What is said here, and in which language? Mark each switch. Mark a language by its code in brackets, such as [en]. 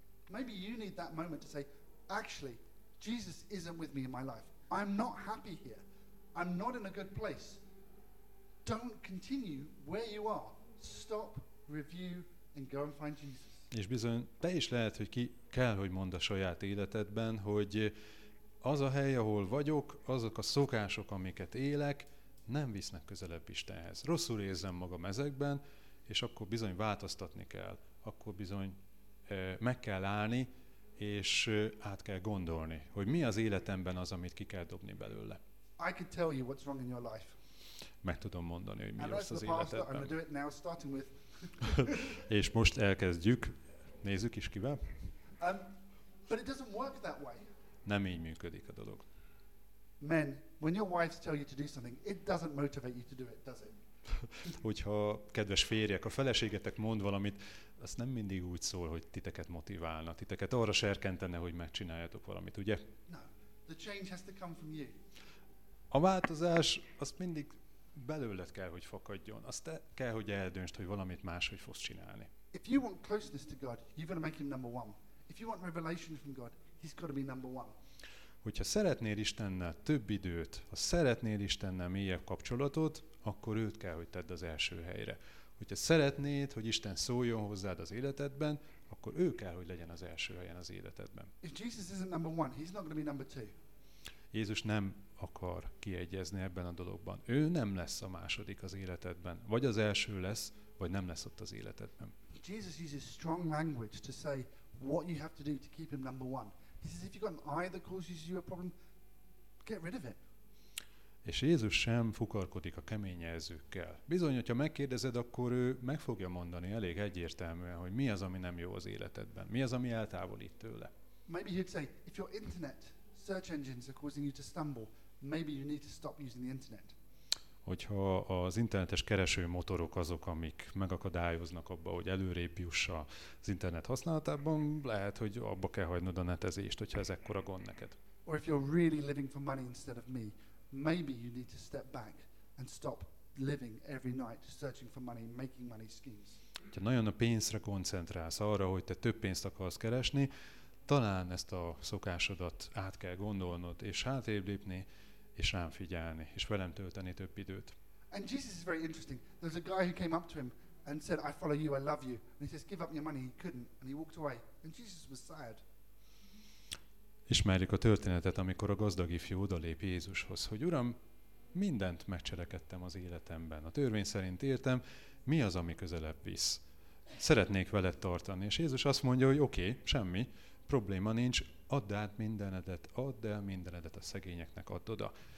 [en] Maybe you need that moment to say, actually, Jesus isn't with me in my life. I'm not happy here. I'm not in a good place. Don't continue where you are. Stop, review, and go and find Jesus. [hu] És bizony, te is lehet, hogy ki kell, hogy mondd a saját életedben, hogy az a hely, ahol vagyok, azok a szokások, amiket élek, nem visznek közelebb Istenhez. Rosszul érzem magam ezekben, és akkor bizony változtatni kell. Akkor bizony meg kell állni, és át kell gondolni, hogy mi az életemben az, amit ki kell dobni belőle. [en] I can tell you what's wrong in your life. [hu] Meg tudom mondani, hogy mi rossz az életedben. [en] I'm gonna do it now, starting with. [hu] És most elkezdjük. Nézzük is kivel. [en] But it doesn't work that way. [hu] Nem így működik a dolog. [en] Men, when your wives tell you to do something, it doesn't motivate you to do it, does it? [hu] Hogyha kedves férjek, a feleségetek mond valamit, az nem mindig úgy szól, hogy titeket motiválna, titeket arra serkentene, hogy megcsináljátok valamit, ugye? [en] No, the change has to come from you. [hu] A változás, az mindig belőled kell, hogy fakadjon. Azt te kell, hogy eldöntsd, hogy valamit máshogy fogsz csinálni. [en] If you want closeness to God, you've got to make him number one. If you want revelation from God, he's got to be number one. [hu] Hogyha szeretnél Istennel több időt, ha szeretnél Istennel mélyebb kapcsolatot, akkor őt kell, hogy tedd az első helyre. Hogyha szeretnéd, hogy Isten szóljon hozzád az életedben, akkor ő kell, hogy legyen az első helyen az életedben. [en] If Jesus isn't number one, he's not going to be number two. [hu] Jézus nem akar kiegyezni ebben a dologban. Ő nem lesz a második az életedben. Vagy az első lesz, vagy nem lesz ott az életedben. [en] Jesus uses strong language to say what you have to do to keep him number one. He says if you've got an eye that causes you a problem, get rid of it. [hu] És Jézus sem fukarkodik a kemény jelzőkkel. Bizony, hogyha megkérdezed, akkor ő meg fogja mondani elég egyértelműen, hogy mi az, ami nem jó az életedben. Mi az, ami eltávolít tőle. [en] Maybe he'd say, if your internet search engines are causing you to stumble, maybe you need to stop using the internet. [hu] Hogyha az internetes kereső motorok azok, amik megakadályoznak abba, hogy előrébb juss az internet használatában, lehet, hogy abba kell hagynod a netezést, hogyha ez ekkora gond neked. [en] Or if you're really living for money instead of me, maybe you need to step back and stop living every night searching for money, making money schemes. [hu] Ha nagyon a pénzre koncentrálsz, arra, hogy te több pénzt akarsz keresni, talán ezt a szokásodat át kell gondolnod, és hátrébb lépni, és rám figyelni, és velem tölteni több időt. [en] And Jesus is very interesting. There's a guy who came up to him and said, I follow you, I love you. And he says, give up your money. He couldn't, and he walked away. And Jesus was sad. [hu] Ismerjük a történetet, amikor a gazdag ifjú odalép Jézushoz, hogy Uram, mindent megcselekedtem az életemben. A törvény szerint értem, mi az, ami közelebb visz? Szeretnék veled tartani. És Jézus azt mondja, hogy oké, semmi, probléma nincs, add el mindenedet a szegényeknek, add oda.